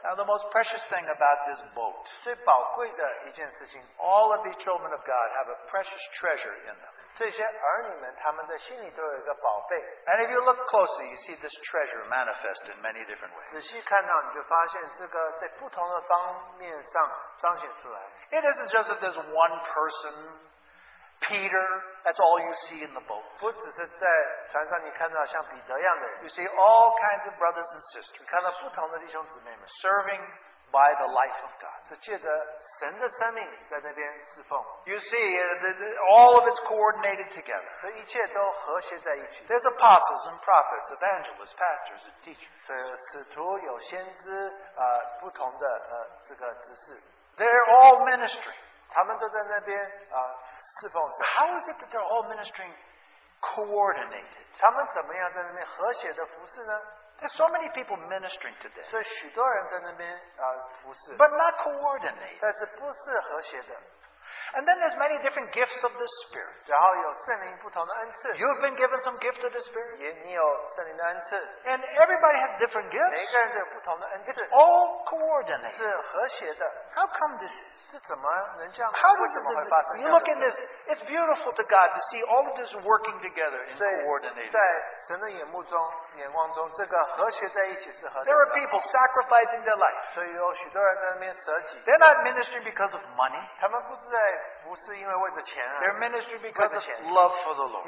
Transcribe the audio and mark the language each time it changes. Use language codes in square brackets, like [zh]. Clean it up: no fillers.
[en] Now, the most precious thing about this boat, [zh] 最宝贵的一件事情, [en] all of the children of God have a precious treasure in them. [zh] 这些儿女们他们的心里都有一个宝贝。 [en] And if you look closely, you see this treasure manifest in many different ways. [zh] 仔细看到你就发现这个在不同的方面上彰显出来。 [en] It isn't just that there's one person, Peter, that's all you see in the boat. [zh] 不只是在船上你看到像彼得一样的人。 [en] You see all kinds of brothers and sisters. [zh] 看到不同的弟兄姊妹们。 [en] Serving by the life of God. [zh] 是借着神的生命在那边侍奉。 [en] You see, all of it's coordinated together. [zh] 所以一切都和谐在一起。 [en] There's apostles and prophets, evangelists, pastors and teachers. [zh] 所以使徒有先知, 不同的, 这个执事。 [en] They're all ministering. [zh] 他们都在那边, 侍奉神。 [en] How is it that they're all ministering coordinated? [zh] 他们怎么样在那边和谐的服侍呢? [en] There's so many people ministering today. [zh] 所以许多人在那边, 服侍, [en] but not coordinated. [zh] 但是不是和谐的。 [en] And then there's many different gifts of the Spirit. [zh] 然后有圣灵不同的恩赐。 [en] You've been given some gift of the Spirit. [zh] 你有圣灵的恩赐。 [en] And everybody has different gifts. [zh] 每个人都有不同的恩赐。 [en] It's all coordinated. [zh] 是和谐的。 [en] How come this is? [zh] 是怎么能这样, [en] how is it that you look in this? It's beautiful to God to see all of this working together in coordination. [zh] 在神的眼目中, 眼光中, 这个和谐在一起是和谐的。 [en] There are people sacrificing their life. [zh] 所以有许多人在那边舍己。 [en] They're not ministering because of money. [zh] 他们不是 [en] They're ministry because of love for the Lord.